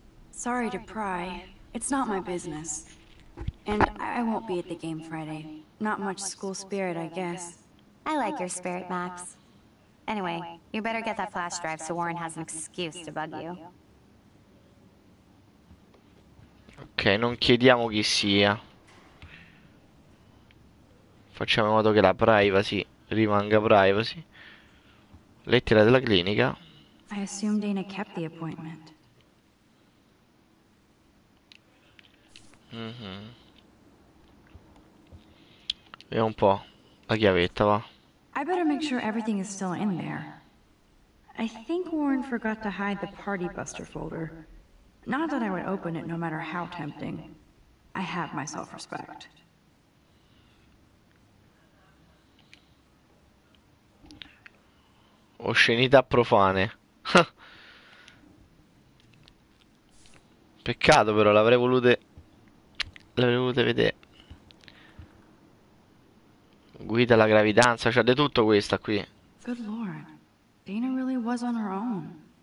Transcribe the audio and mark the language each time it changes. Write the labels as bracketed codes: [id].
[en] Sorry to pry. It's not my business. And I won't be at the game Friday. Not much school spirit, I guess. I like your spirit, Max. Anyway, you better get that flash drive so Warren has an excuse to bug you. [it] Ok, non chiediamo chi sia. Facciamo in modo che la privacy rimanga privacy. Lettera della clinica. [en] I assume Dana kept the appointment. Mm-hmm. [it] Vediamo un po' la chiavetta, va. [en] I better make sure everything is still in there. I think Warren forgot to hide the party buster folder. Not that I would open it no matter how tempting. I have my self-respect. [it] Oscenità profane. Peccato però, l'avrei volute vedere. Guida la gravidanza, c'ha di tutto questa qui. [en] Good Lord. Dana really was on her own.